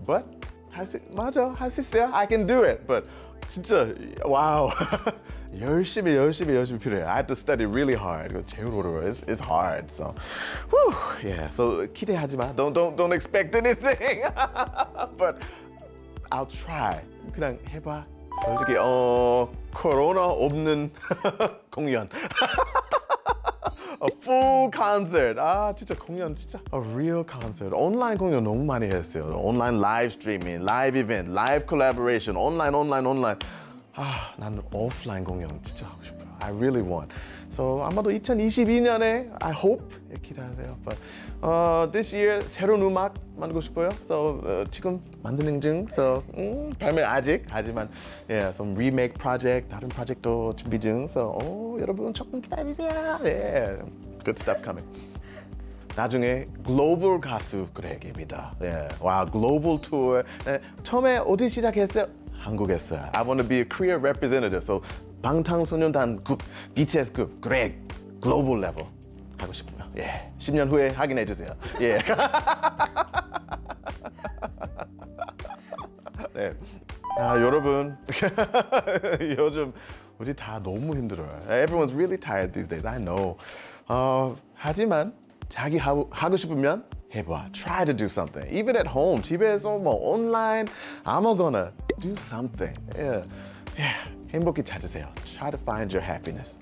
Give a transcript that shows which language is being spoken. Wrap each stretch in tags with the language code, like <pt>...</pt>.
<en>But</en> <ko>맞아, 할 수 있어요.</ko> <en>I can do it. But</en> <ko>진짜, 와우. 열심히 필요해.</ko> <en>I have to study really hard.</en> <ko>제일 어려워.</ko> <en>It's hard. So, yeah. So</en> <ko>기대하지 마.</ko> <en>Don't expect anything. But I'll try.</en> <ko>그냥 해봐. 솔직히 코로나 없는 공연.</ko> <en>A full concert.</en> <ko>아, 진짜 공연 진짜.</ko> <en>A real concert.</en> <ko>온라인 공연 너무 많이 했어요. 온라인 라이브 스트리밍, 라이브 이벤트, 라이브 콜라보레이션, 온라인. 아, 난 오프라인 공연 진짜 하고 싶어요.</ko> <en>I really want.</en> <ko>So 아마도 2022년에</ko> <en>I hope</en> <ko>기대하세요.</ko> <en>But this year</en> <ko>새로운 음악 만들고 싶어요. So 지금 만드는 중. So 발매 아직 하지만</ko> <en>yeah, some remake project</en> <ko>다른 프로젝트도 준비 중. So 여러분 조금 기다리세요.</ko> <en>Yeah, good stuff coming.</en> <ko>나중에 글로벌 가수 그렉입니다.</ko> <en>Yeah, wow, global tour.</en> <ko>네, 처음에 어디 시작했어요? 한국에서.</ko> <en>I want to be a Korea representative. So 방탄소년단 group, BTS group, Greg, global level</en> <ko>하고 싶고요. 예, 10년 후에 확인해 주세요. 예. 네. 아 여러분, 요즘 우리 다 너무 힘들어요.</ko> <en>Everyone's really tired these days. I know.</en> <ko>하지만 자기 하고 싶으면 해봐.</ko> <en>Try to do something. Even at home,</en> <ko>집에서 뭐 온라인,</ko> <en>I'm gonna do something. Yeah. Yeah.</en> <ko>행복히 찾으세요.</ko> <en>Try to find your happiness.</en>